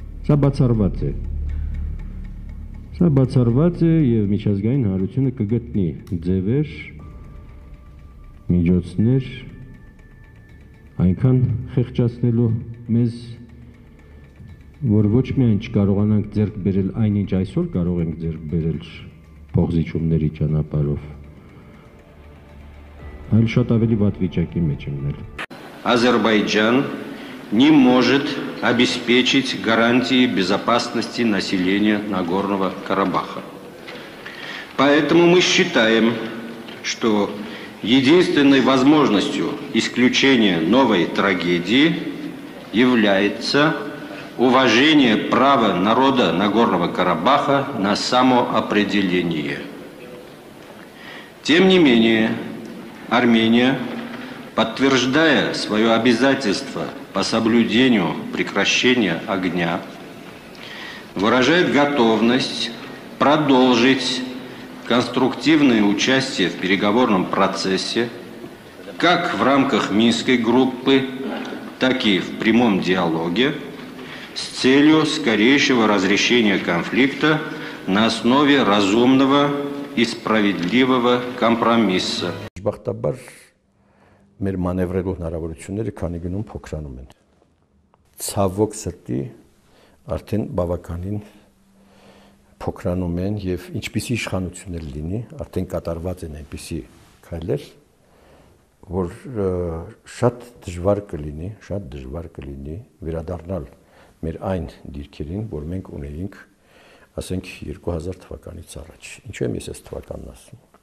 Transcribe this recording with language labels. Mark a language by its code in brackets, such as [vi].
[hy] սա բացառված է։ Սա բացառված է և միջազգային հանրությունը կգտնի ձևեր, միջոցներ, այնքան խեղճացնելու մեզ, որ ոչ միայն չկարողանանք ձեռք բերել այնինչ այսօր կարող ենք ձեռք բերել փոխզիջումների ճանապարհով, այլ շատ ավելի վատ վիճակի մեջ ընկնել։ [ru] Ադրբեջան не может обеспечить гарантии безопасности населения Нагорного Карабаха. Поэтому мы считаем, что единственной возможностью исключения новой трагедии является уважение права народа Нагорного Карабаха на самоопределение. Тем не менее, Армения, подтверждая свое обязательство по соблюдению прекращения огня, выражает готовность продолжить конструктивное участие в переговорном процессе как в рамках Минской группы, так и в прямом диалоге с целью скорейшего разрешения конфликта на основе разумного и справедливого компромисса. [hy] Մեր մանևրելու հնարավորությունները քանի գնում փոքրանում են։ Ցավոք սրտի արդեն բավականին փոքրանում են և ինչպիսի իշխանություններ լինի, արդեն կատարված են այնպիսի քայլեր, որ շատ դժվար կլինի վերադառնալ մեր այն դիրքերին, որ մենք ունեինք, ասենք 2000 թվականից առաջ։ Ինչու եմ ես այս թվականն ասում։